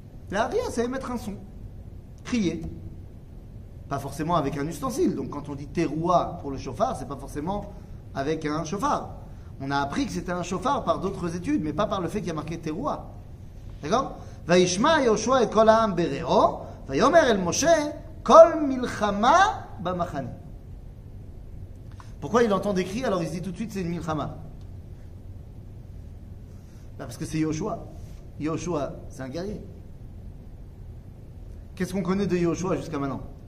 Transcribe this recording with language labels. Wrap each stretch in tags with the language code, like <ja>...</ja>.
<fr>Le'aria, c'est émettre un son. Crier. Pas forcément avec un ustensile. Donc quand on dit teroua pour le chauffard, c'est pas forcément avec un chauffard. On a appris que c'était un chauffard par d'autres études, mais pas par le fait qu'il y a marqué teroua. D'accord?</fr> <he>וישמע יהושע את כל העם בריאו ויאמר אל משה כל מלחמה במחנה.</he> <fr>Pourquoi il entend des cris alors il se dit tout de suite c'est une milchama? Bah parce que c'est Yoshua. Yoshua, c'est un guerrier. Qu'est-ce qu'on connaît de Yoshua jusqu'à maintenant?</fr>